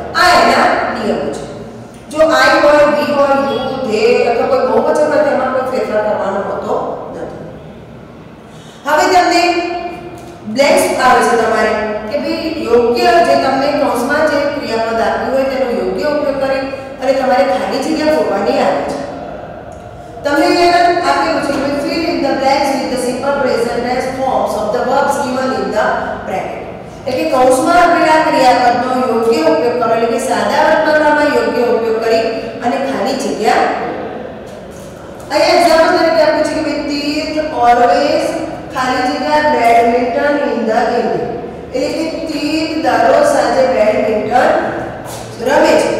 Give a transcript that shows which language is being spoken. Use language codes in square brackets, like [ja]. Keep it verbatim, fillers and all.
[gu] આ એના નિયમો છે. જો આઈ હોય, વી હોય, યુ, ધે અથવા કોઈ બહુવચન હોય તેમાં કોઈ ફેરફાર કરવાનો હોતો નથી. હવે તમને બ્લેન્ક્સ આવે છે તમારે કે ભાઈ યોગ્ય જે તમને કૌંસમાં જે ક્રિયાપદ આપ્યું હોય તેનો યોગ્ય ઉપયોગ કરે અને તમારે ખાલી જગ્યા ભરવાની આવે છે. તમને અહીંયા આપ્યું છે કે [en] fill in the blanks with the simple present tense forms of the verbs given in the bracket. [gu] એટલે કે કૌંસમાં આપેલા ક્રિયાપદનો યોગ્ય ઉપયોગ કરો, એટલે કે સાદા વર્તમાનમાં યોગ્ય ઉપયોગ કરી અને ખાલી જગ્યા. અહીંયા એક્ઝામ્પલ તરીકે આપ્યું છે કે ભાઈ તીર્થ ઓલવેઝ ખાલી જગ્યા [en] Badminton in the evening. [gu] એટલે કે તીર્થ દરરોજ સાંજે બેડમિન્ટન રમે છે.